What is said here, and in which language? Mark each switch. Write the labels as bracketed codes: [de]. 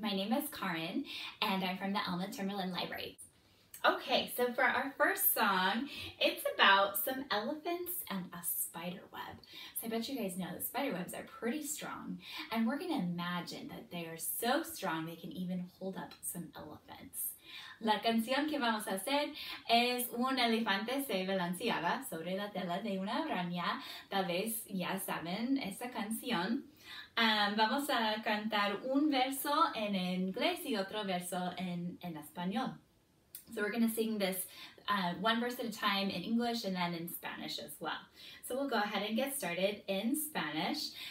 [en] My name is Karin, and I'm from the Elma Timberland Library. Okay, so for our first song, it's about some elephants and a spider web. So I bet you guys know that spider webs are pretty strong, and we're gonna imagine that they are so strong they can even hold up some elephants. [es] La canción que vamos a hacer es un elefante se balanceaba sobre la tela de una araña. Tal vez ya saben esa canción. Vamos a cantar un verso en inglés y otro verso en español. [en] So we're going to sing this one verse at a time in English and then in Spanish as well. So we'll go ahead and get started in Spanish.